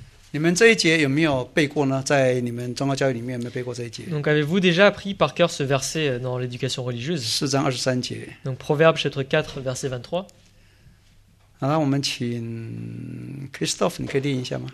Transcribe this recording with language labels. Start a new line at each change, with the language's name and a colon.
Chinese: 你们这一节有没有背过呢？在你们宗教教育里面有没有背过这一节
French: ？Donc avez-vous déjà appris par cœur ce verset dans l'éducation religieuse？
Chinese: 四章二十三节。
French: Donc Proverbe chapitre 4 verset 23。
Chinese: 好了，我们请 Christophe， 你可以念一下吗